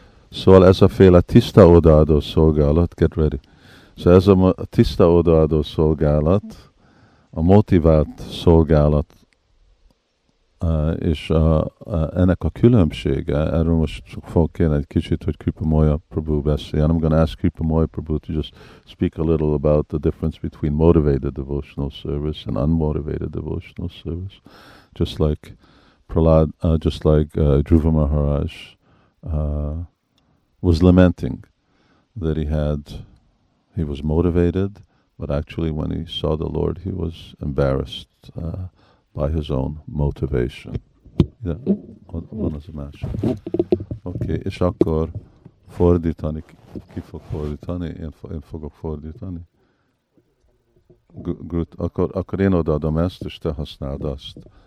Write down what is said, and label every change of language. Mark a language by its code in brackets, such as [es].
[hu] Szóval ez a féle tiszta odaadó szolgálat, kedveri. Szóval ez a tiszta odaadó szolgálat, a motivált szolgálat És ennek a különbsége, erről most fogok kérni egy kicsit, hogy Kripa Moya Prabhu beszéljen. [en] I'm going to ask Kripa Moya Prabhu to just speak a little about the difference between motivated devotional service and unmotivated devotional service. Just like Prahlad, just like Dhruva Maharaj was lamenting that he was motivated, but actually when he saw the Lord, he was embarrassed by his own motivation. [hu] Van az a másik. Oké, és akkor fordítani, ki fog fordítani? Én fogok fordítani. Akkor én odaadom ezt, és te használd azt.